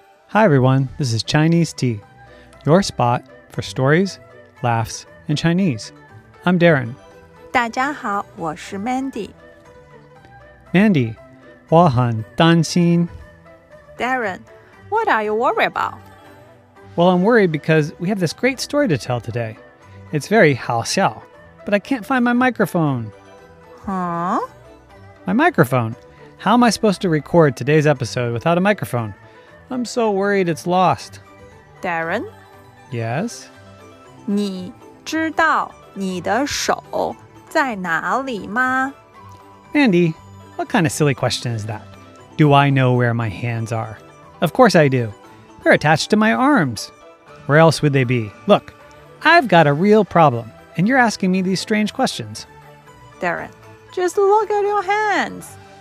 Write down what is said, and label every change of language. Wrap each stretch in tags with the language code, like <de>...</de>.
<en>Hi everyone, this is Chinese Tea, your spot for stories, laughs, and Chinese. I'm Darren.</en> <zh>大家好，我是 Mandy. Mandy, 我很担心。</zh> <en>Darren, what are you worried about? Well, I'm worried because we have this great story to tell today. It's very</en> <zh>好笑,</zh> <en>but I can't find my microphone. Huh? My microphone. How am I supposed to record today's episode without a microphone? I'm so worried it's lost. Darren? Yes?</en> <zh>你知道你的手在哪里吗?</zh> <en>Mandy, what kind of silly question is that? Do I know where my hands are? Of course I do. They're attached to my arms. Where else would they be? Look, I've got a real problem, and you're asking me these strange questions. Darren, just look at your hands.</en>